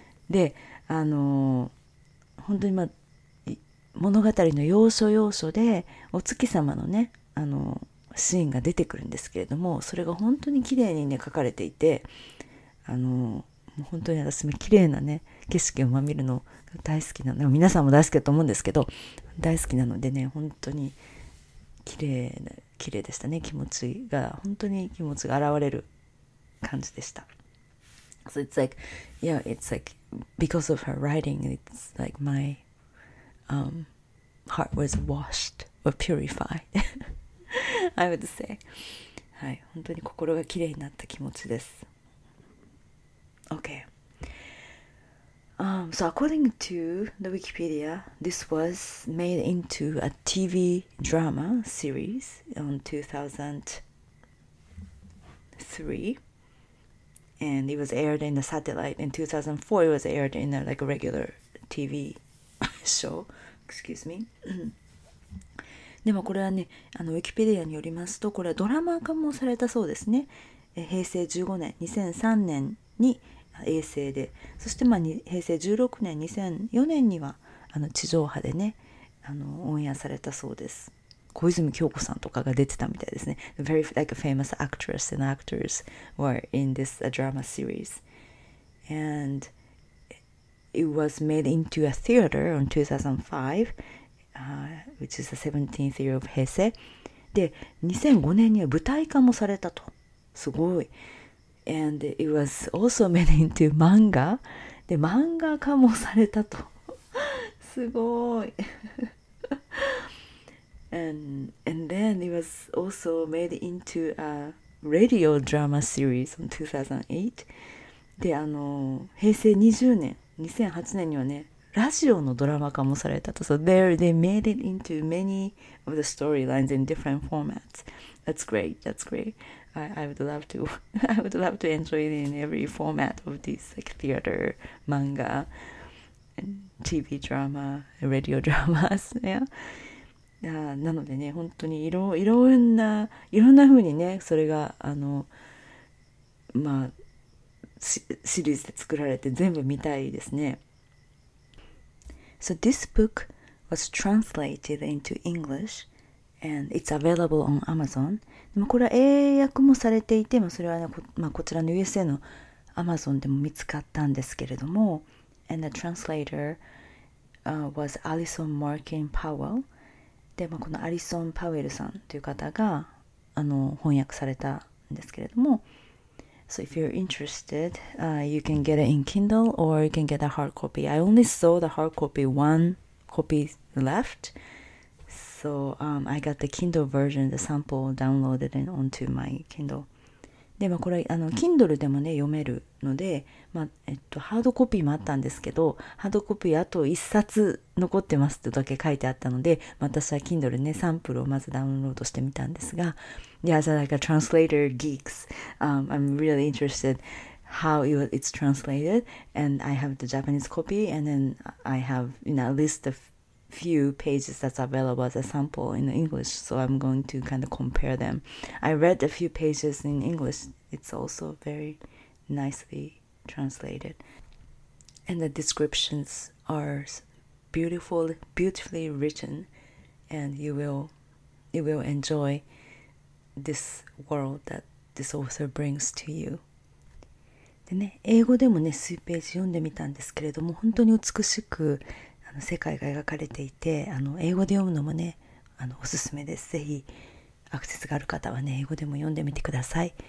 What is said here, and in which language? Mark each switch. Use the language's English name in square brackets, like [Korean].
[Japanese] で、あの本当にまあ物語の要所要所でお月様のね、あのシーンが出てくるんですけれども、それが本当に綺麗にね描かれていて、あの。本当に私も綺麗なね景色を見るの大好きなので、皆さんも大好きだと思うんですけど、大好きなのでね、本当に綺麗でしたね。気持ちが本当に気持ちが現れる感じでした。 [English] So it's like, yeah, it's like because of her writing, it's like my heart was washed or purified. I would say, [Japanese] はい、本当に心が綺麗になった気持ちです。Okay. [English] So according to the Wikipedia, this was made into a TV drama series in 2003, and it was aired in the satellite. In 2004, it was aired in a, like a regular TV show. Excuse me. [Japanese] でもこれはね、あの Wikipedia によりますと、これはドラマ化もされたそうですね。平成15年、2003年に衛星で、そしてまあ平成16年2004年にはあの地上波でね、あのオンエアされたそうです。小泉今日子さんとかが出てたみたいですね。 [English] Very like a famous actress and actors were in this drama series, and it was made into a theater in 2005, which is the 17th year of 平成 [Japanese] で、2005年には舞台化もされたと。すごい。 [English] And it was also made into manga. [Japanese] で、漫画化もされたと。すごい。 [English] And then it was also made into a radio drama series in 2008. [Japanese] で、あの、平成20年、2008年にはね、ラジオのドラマ化もされたと。 [English] So they made it into many of the storylines in different formats. That's great. I would love to enjoy it in every format of this, like theater, manga, and TV drama, radio dramas. Yeah. [Japanese] なのでね、本当にいろんな風にね、それがシリーズで作られて全部見たいですね。 [English] So this book was translated into English and it's available on Amazon。 [Japanese] でもこれは英訳もされていて、それは、ね、こちらの USA の Amazon でも見つかったんですけれども、 [English] And the translator、was Alison Markin Powell。 [Japanese] で、このアリソン・パウエルさんという方が翻訳されたんですけれども、 [English] So if you're interested, you can get it in Kindle or you can get a hard copy. I only saw the hard copy, one copy left. So I got the Kindle version, the sample downloaded it onto my Kindle. [Japanese] で、これ Kindle でもね、読めるので、ハードコピーもあったんですけど、ハードコピーあと1冊残ってますってだけ書いてあったので、私は Kindle ね、サンプルをまずダウンロードしてみたんですが、 [English] Yeah, so like a translator geeks. I'm really interested how it's translated. And I have the Japanese copy, and then I have, you know, at least a few pages that's available as a sample in English. So I'm going to kind of compare them. I read a few pages in English. It's also very nicely translated. And the descriptions are beautiful, beautifully written. And you will enjoy this world that this author brings to you. [Japanese] でね、英語でもね、数ページ読んでみたんですけれども、本当に美しく世界が描かれていて、英語で読むのもね、おすすめです。ぜひアクセスがある方はね、英語でも読んでみてください。